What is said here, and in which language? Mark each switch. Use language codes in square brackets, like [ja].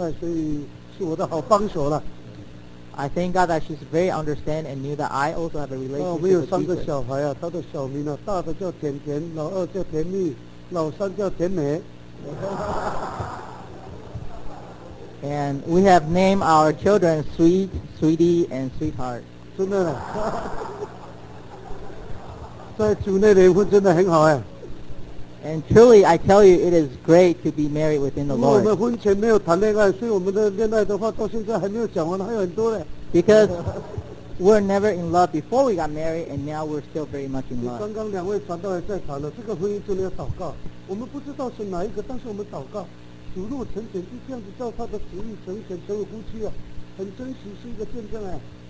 [zh] 在外面做圣工跟主耶稣谈恋爱，所以是我的好帮手了。 [en] I thank God that she's very understanding and knew that I also have a relationship. [zh] 我们有三个小孩啊，他的小名呢，大的叫甜甜，老二叫甜蜜，老三叫甜美。 [en] And we have named our children Sweet, Sweetie, and Sweetheart. [zh] 真的，在主内联婚真的很好哎。 [en] And truly, I tell you, it is great to be married within the Lord. Because we're never in love before we got married, and now we're still very much in love.